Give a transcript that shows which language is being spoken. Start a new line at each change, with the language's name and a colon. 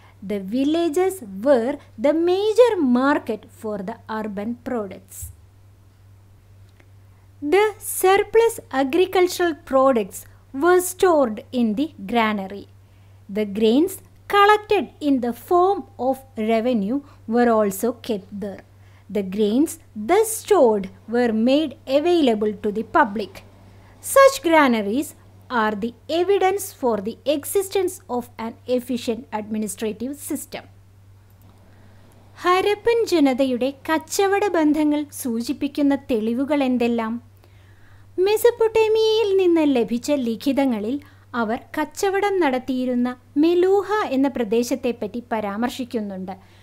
English: The villages were the major market for the urban products. The surplus agricultural products were stored in the granary. The grains collected in the form of revenue were also kept there. The grains thus stored were made available to the public. Such granaries are the evidence for the existence of an efficient administrative system.
Malayalam: Harappan ജനതയുടെ കച്ചവട ബന്ധങ്ങൾ സൂചിപ്പിക്കുന്ന തെളിവുകൾ എന്തെല്ലാം? മെസപ്പൊട്ടേമിയയിൽ നിന്ന് ലഭിച്ച ലിഖിതങ്ങളിൽ അവർ കച്ചവടം നടത്തിയിരുന്ന മെലൂഹ എന്ന പ്രദേശത്തെപ്പറ്റി പരാമർശിക്കുന്നുണ്ട്.